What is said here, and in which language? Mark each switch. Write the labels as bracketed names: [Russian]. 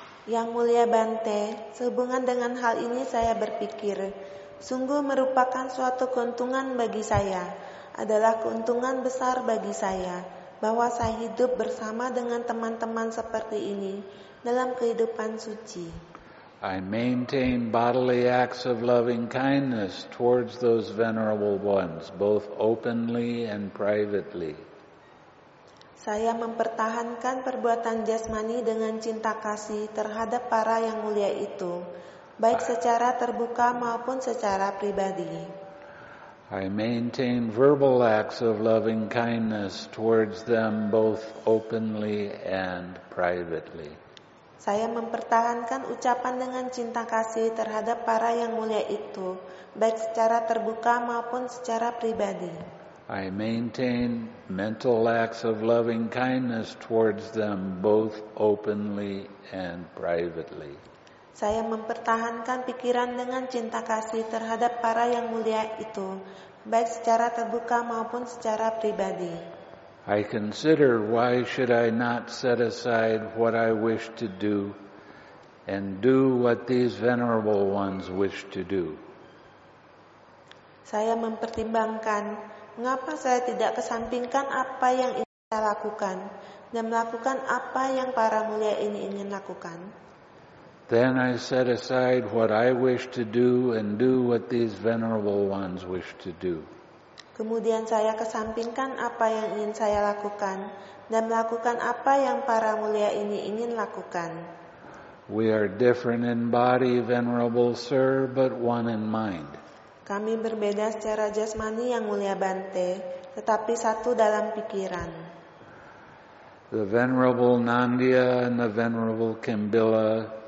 [Indonesian] Yang Mulia Bante, sehubungan dengan hal ini saya berpikir, sungguh merupakan suatu keuntungan bagi saya, adalah keuntungan besar bagi saya, bahwa saya hidup bersama dengan teman-teman seperti ini dalam kehidupan suci. [English] I maintain bodily acts of loving kindness towards those venerable ones, both openly and privately. [Indonesian] Saya mempertahankan perbuatan jasmani dengan cinta kasih terhadap para yang mulia itu, baik secara terbuka maupun secara pribadi. [English] I maintain verbal acts of loving kindness towards them both openly and privately. [Indonesian] Saya mempertahankan ucapan dengan cinta kasih terhadap para yang mulia itu, baik secara terbuka maupun secara pribadi. [English] I maintain mental acts of loving kindness towards them both openly and privately. [Indonesian] Saya mempertahankan pikiran dengan cinta kasih terhadap para yang mulia itu, baik secara terbuka maupun secara pribadi. [English] I consider why should I not set aside what I wish to do and do what these venerable ones wish to do. [Indonesian] Saya mempertimbangkan mengapa saya tidak kesampingkan apa yang ingin saya lakukan dan melakukan apa yang para mulia ini ingin lakukan. [English] Then I set aside what I wish to do and do what these venerable ones wish to do. [Indonesian] Kemudian saya kesampingkan apa yang ingin saya lakukan dan melakukan apa yang para mulia ini ingin lakukan. [English] We are different in body, venerable sir, but one in mind. [Indonesian] Kami berbeda secara jasmani Yang Mulia Bante, tetapi satu dalam pikiran. [English] The venerable Nandiya and the venerable Kimbila.